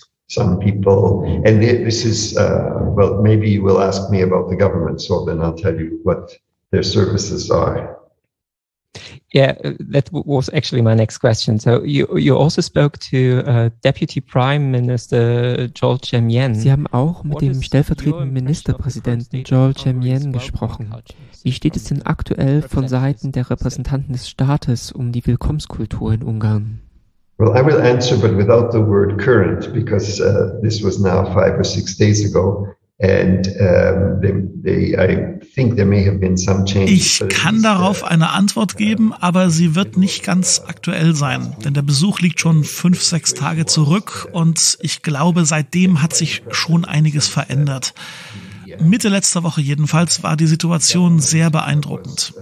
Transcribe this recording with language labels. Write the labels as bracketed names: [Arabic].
[English] Some people, and this is, well, maybe you will ask me about the government, so then I'll tell you what their services are. Yeah, that was actually my next question. So you also spoke to Deputy Prime Minister Zhou Zhenyan. [German] Sie haben auch mit dem stellvertretenden Ministerpräsidenten Zhou Zhenyan gesprochen. Wie steht es denn aktuell von Seiten der Repräsentanten des Staates um die Willkommenskultur in Ungarn? [English] Well, I will answer, but without the word current, because this was now 5 or 6 days ago. And I think there may have been some changes. [German] Ich kann darauf eine Antwort geben, aber sie wird nicht ganz aktuell sein, denn der Besuch liegt schon 5, 6 Tage zurück und ich glaube, seitdem hat sich schon einiges verändert. Mitte letzter Woche jedenfalls war die Situation sehr beeindruckend.